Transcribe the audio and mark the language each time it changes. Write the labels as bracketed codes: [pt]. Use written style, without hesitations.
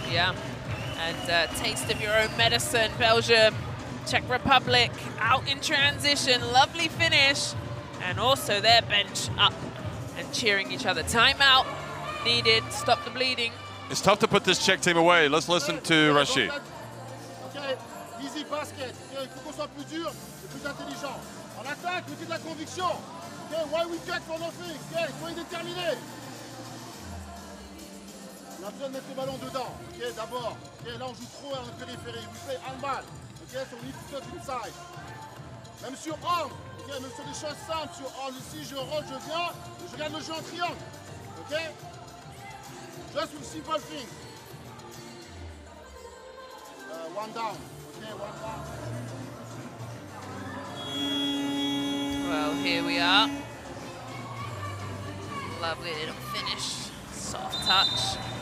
[en] Yeah, and taste of your own medicine, Belgium. Czech Republic out in transition. Lovely finish. And also their bench up and cheering each other. Timeout needed to stop the bleeding. It's tough to put this Czech team away. Let's listen to Rashid. Okay, easy basket. [fr] Okay, faut qu'on soit plus dur et plus intelligent. En attaque, mettez de la conviction. [en] Okay, why we check for nothing? [fr] Okay, soyez déterminés. On a besoin de mettre le ballon dedans. Okay, d'abord. Okay, là on joue trop en périphérie. [en] We play handball. Okay, so we need to touch inside. [fr] Même sur angle. Okay, même sur des choses simples. Sur angle ici, je rentre, je viens. Et je regarde le jeu en triangle. [en] Okay? Just with simple things. One down. Okay, one down. Well, here we are. Lovely little finish. Soft touch.